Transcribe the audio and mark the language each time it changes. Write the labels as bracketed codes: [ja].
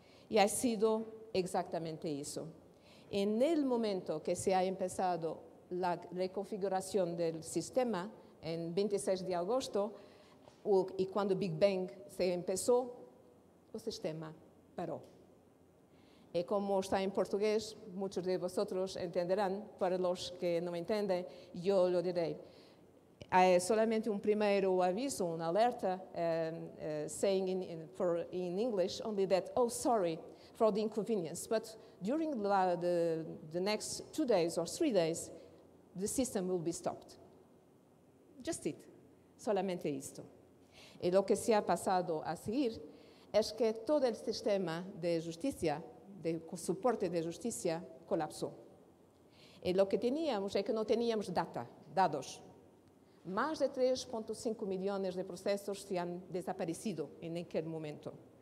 [es] Y ha sido exactamente eso. En el momento que se ha empezado la reconfiguración del sistema, en 26 de agosto, y cuando Big Bang se empezó, el sistema paró. Y como está en portugués, muchos de vosotros entenderán, para los que no entienden, yo lo diré. Hay solamente un primer aviso, una alerta, [en] saying in English only that, oh, sorry for the inconvenience, but during the next 2 days or 3 days, the system will be stopped. Just it. [es] Solamente esto. Y lo que se ha pasado a seguir es que todo el sistema de justicia, de soporte de justicia, colapsó. Y lo que teníamos es que no teníamos dados. Más de 3.5 millones de procesos se han desaparecido en aquel momento.